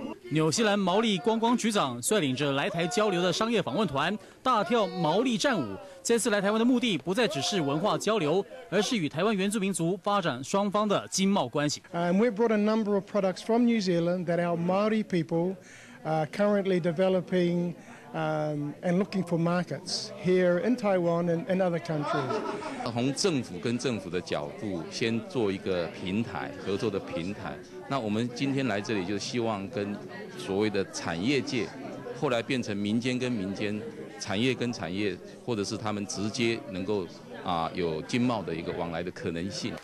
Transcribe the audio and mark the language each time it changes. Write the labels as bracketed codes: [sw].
[zh] 纽西兰毛利观光局长率领着来台交流的商业访问团大跳毛利战舞。这次来台湾的目的不再只是文化交流，而是与台湾原住民族发展双方的经贸关系。 [en] We brought a number of products from New Zealand that our Maori people are currently developing and looking for markets here in Taiwan and other countries. [zh] 从政府跟政府的角度，先做一个平台，合作的平台。那我们今天来这里，就希望跟所谓的产业界，后来变成民间跟民间，产业跟产业，或者是他们直接能够有经贸的一个往来的可能性。